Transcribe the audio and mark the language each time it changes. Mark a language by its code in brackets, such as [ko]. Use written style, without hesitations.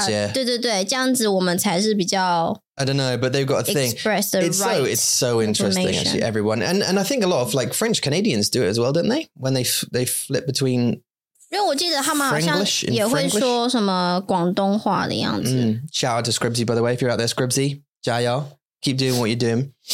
[zh] 要我找一下吗？我觉得我们在网络上找一下。对对对，这样子我们才是比较... [en] I don't know, but they've got a thing. Express the it's right so, it's so interesting, actually, everyone. And I think a lot of like French Canadians do it as well, don't they? When they flip between... [zh] 因为我记得他们好像也会说什么广东话的样子。 [en] Shout out to Scribzy, by the way, if you're out there, Scribzy, [zh] 加油, [en] keep doing what you're doing.